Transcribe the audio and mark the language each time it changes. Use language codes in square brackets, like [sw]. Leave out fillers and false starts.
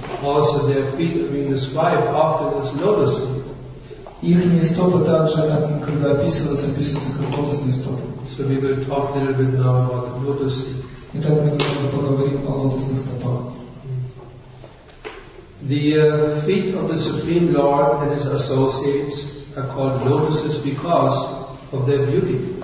[en] Also their feet are being described often as lotus feet. [ru] Ихние стопы также, когда описываются как лотосные стопы. [en] So we will talk a little bit now about the lotus feet. [ru] Итак, мы немного поговорим о лотосных стопах. [en] The feet of the Supreme Lord and His associates are called lotuses because of their beauty.